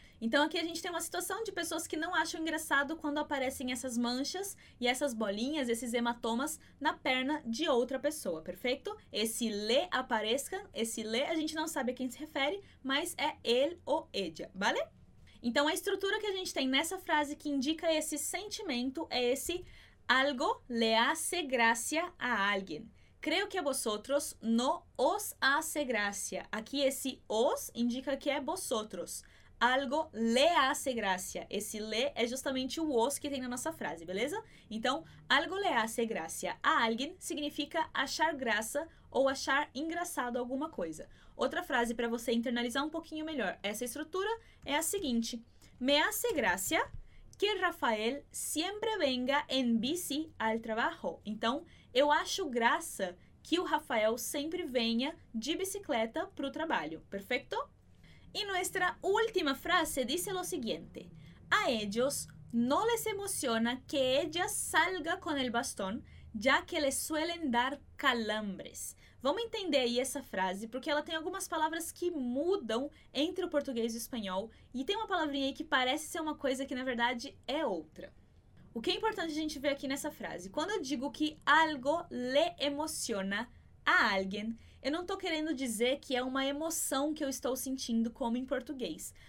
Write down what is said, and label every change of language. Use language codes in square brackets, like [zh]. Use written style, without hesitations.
[pt] Então aqui a gente tem uma situação de pessoas que não acham engraçado quando aparecem essas manchas e essas bolinhas, esses hematomas na perna de outra pessoa, perfeito? Esse le aparezca, esse le a gente não sabe a quem se refere, mas é ele ou ella, vale? Então a estrutura que a gente tem nessa frase que indica esse sentimento é esse [es] algo le hace gracia a alguien. Creo que a vosotros no os hace gracia. [pt] Aqui esse os indica que é vosotros. [es] Algo le hace gracia. [pt] Esse le é justamente o os que tem na nossa frase, beleza? Então, [es] algo le hace gracia a alguien [pt] significa achar graça ou achar engraçado alguma coisa. Outra frase para você internalizar um pouquinho melhor essa estrutura é a seguinte: [es] me hace gracia que Rafael siempre venga en bici al trabajo. [pt] Então, eu acho graça que o Rafael sempre venha de bicicleta para o trabalho, perfeito? [es] Y nuestra última frase dice lo siguiente: a ellos no les emociona que ella salga con el bastón, ya que les suelen dar calambres. [pt] Vamos entender aí essa frase, porque ela tem algumas palavras que mudam entre o português e o espanhol, e tem uma palavrinha aí que parece ser uma coisa que na verdade é outra. O que é importante a gente ver aqui nessa frase? Quando eu digo que [es] algo le emociona [pt] a alguém, eu não estou querendo dizer que é uma emoção que eu estou sentindo, como em português.